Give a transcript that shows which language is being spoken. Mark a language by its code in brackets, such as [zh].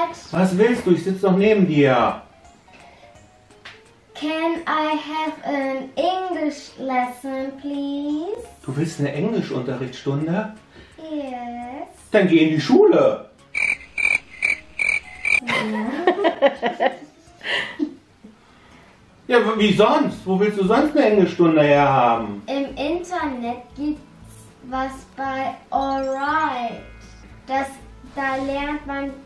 [de] Was willst du? Ich sitze doch neben dir. [en] Can I have an English lesson, please? [de] Du willst eine Englischunterrichtsstunde? [en] Yes. [de] Dann geh in die Schule. Ja. Ja, wie sonst? Wo willst du sonst eine Englischstunde her haben? Im Internet gibt's was bei Alright. Da lernt man.